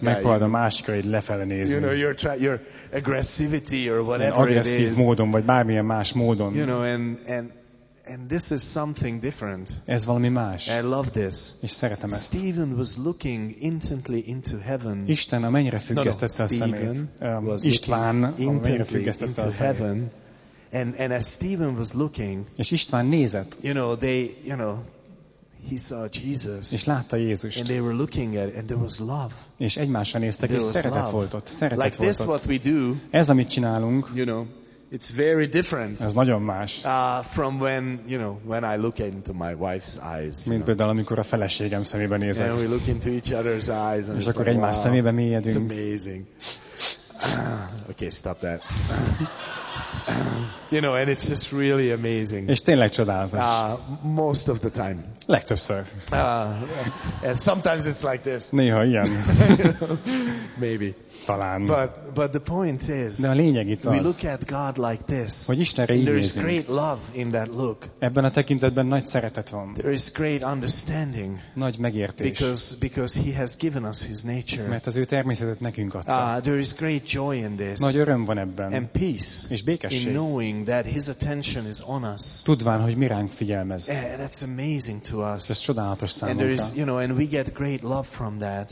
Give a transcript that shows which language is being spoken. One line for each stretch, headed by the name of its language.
Hungarian: Megpróbálod a másikra így lefele nézni.
English: You know, your aggressivity or whatever it is.
Hungarian: Agresszív módon, vagy bármilyen más módon.
English: You know, and this is something different.
Hungarian: Ez valami más.
English: I love this.
Hungarian: És szeretem ezt.
English: Stephen was looking intently into heaven.
Hungarian: Isten a mennyre függesztette a szemét. István a mennyre függesztette a szemét.
English: And as Stephen was looking.
Hungarian: És István nézett.
English: You know, they, you know, he saw Jesus.
Hungarian: És látta Jézust.
English: And they were looking at it, and there was love.
Hungarian: És egymásra néztek, és szeretet volt ott. Szeretet
English: like
Hungarian: volt
English: this
Hungarian: ott.
English: What we do.
Hungarian: Ez amit csinálunk.
English: You know. It's very different.
Hungarian: Ez nagyon más.
English: From when, you know, when I look into my wife's eyes.
Hungarian: Mint például, amikor a feleségem szemébe nézek.
English: And we look into each other's eyes and
Hungarian: és akkor egymás szemébe mélyedünk.
English: It's amazing. Okay, stop that. You know, and it's just really amazing.
Hungarian: És tényleg csodálatos.
English: Most of the time.
Hungarian: Legtöbbször.
English: And sometimes it's like this.
Hungarian: Néha ilyen.
English: Maybe.
Hungarian: Talán.
English: But the point is,
Hungarian: de a lényeg itt az,
English: we look at God like this,
Hungarian: hogy Istenre így
English: there
Hungarian: nézünk.
English: Is great love in that look.
Hungarian: Ebben a tekintetben nagy szeretet van.
English: There is great understanding,
Hungarian: nagy megértés.
English: Because he has given us his nature.
Hungarian: Mert az ő természetet nekünk adta.
English: There is great joy in this,
Hungarian: nagy öröm van ebben.
English: And peace,
Hungarian: és békesség.
English: In knowing that his attention is on us.
Hungarian: Tudván, hogy mi ránk figyelmez.
English: That's amazing to us.
Hungarian: Ez csodálatos számunkra.
English: And there is, you know, and we get great love from that.